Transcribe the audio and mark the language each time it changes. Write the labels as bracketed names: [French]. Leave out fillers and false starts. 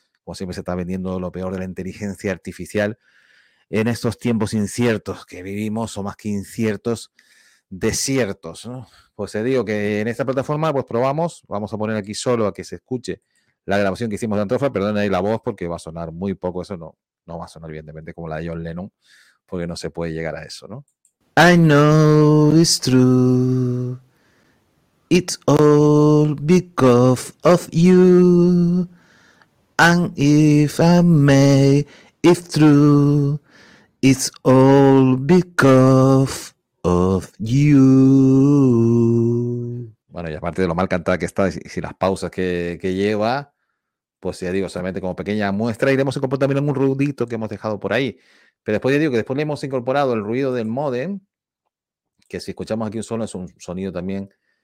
[Spanish] Como siempre se está vendiendo lo peor de la inteligencia artificial en estos tiempos inciertos que vivimos, o más que inciertos, desiertos, ¿no? Pues te digo que en esta plataforma pues probamos, vamos a poner aquí solo a que se escuche la grabación que hicimos de Antrofa, perdón ahí la voz porque va a sonar muy poco, eso no va a sonar evidentemente como la de John Lennon, porque no se puede llegar a eso, ¿no? [English] I know it's true. It's all because of you, and if I may, it's true, it's all because of you. [Spanish] Bueno, y aparte de lo mal cantada que está y las pausas que lleva, pues ya digo, solamente como pequeña muestra, iremos a incorporar también un ruidito que hemos dejado por ahí. Pero después ya digo que después le hemos incorporado el ruido del modem, que si escuchamos aquí un solo es un sonido también